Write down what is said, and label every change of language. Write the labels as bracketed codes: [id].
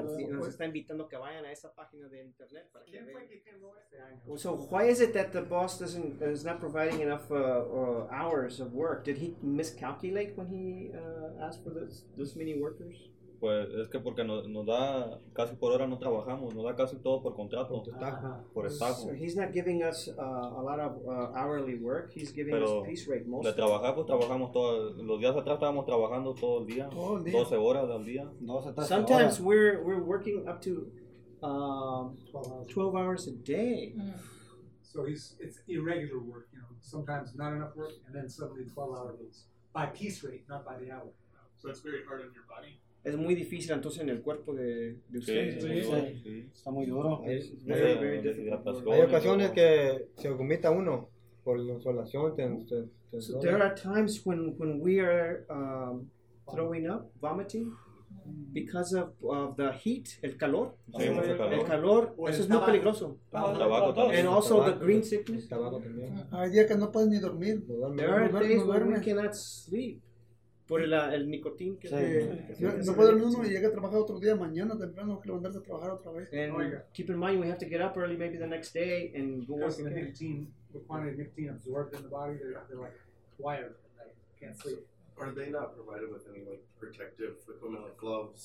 [es] Nos está invitando que vayan a esa página de internet para que vean. [en] So why is it that the boss is not providing enough hours of work? Did he miscalculate when he asked for those many workers? [es] Pues es que porque nos da casi por hora no trabajamos, nos da casi todo por contrato, por estajo. [en] So he's not giving us a lot of hourly work, he's giving [es] pero [en] us piece rate mostly. [es] De trabajar, pues trabajamos todo, los días atrás estábamos trabajando todo el día, 12 horas al día. [en] Sometimes we're working up to 12 hours a day. So it's irregular work, you know, sometimes not enough work, and then suddenly 12 hour days. By piece rate, not by the hour. So that's very hard on your body. [es] Es muy difícil entonces en el cuerpo de usted. Sí, sí, sí. Sí. Está muy duro. Es muy difícil. Hay ocasiones que se vomita uno por la insolación. [en] So there are times when we are throwing up, vomiting, because of the heat, [es] el calor. Sí, sí, calor. El calor, eso es muy peligroso. El tabaco también. [en] And also the green sickness. [es] El tabaco también. Hay días que no puedes ni dormir. [en] There are days where we cannot sleep. [es] Por el nicotín que sí. No puede dormir uno y llega a trabajar otro día mañana temprano, que levantarse a trabajar otra vez. [en] And keep in mind, we have to get up early, maybe the next day, and go work. The quantity of nicotine absorbed in the body, they're like wired, they can't sleep. Are they not provided with any like protective equipment, like gloves?